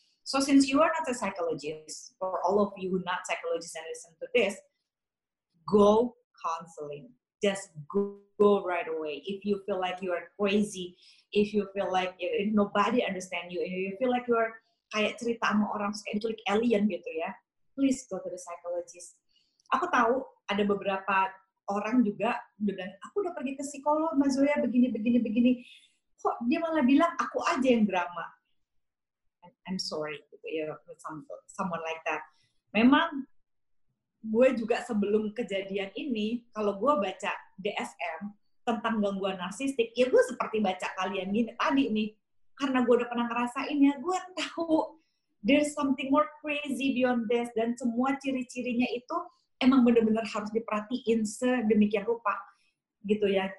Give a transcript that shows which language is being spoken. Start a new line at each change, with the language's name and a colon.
English: So since you are not a psychologist, for all of you who are not psychologists and listen to this, go counseling. Just go right away. If you feel like you are crazy, if you feel like nobody understand you, if you feel like you are
Indonesian: kayak cerita sama orang kayak like alien gitu ya,
English: please go to the psychologist.
Indonesian: Aku tahu ada beberapa orang juga udah bilang, aku udah pergi ke psikolog, Mbak Zoya, begini, begini, begini. Kok dia malah bilang, aku aja yang drama.
English: I'm sorry
Indonesian: gitu ya,
English: with someone like that.
Indonesian: Memang, gue juga sebelum kejadian ini, kalau gue baca DSM tentang gangguan narsistik, ya gue seperti baca kalian gini tadi nih, karena gue udah pernah ngerasainnya, gue tahu
English: there's something more crazy beyond this,
Indonesian: dan semua ciri-cirinya itu emang benar-benar harus diperhatiin sedemikian rupa gitu ya.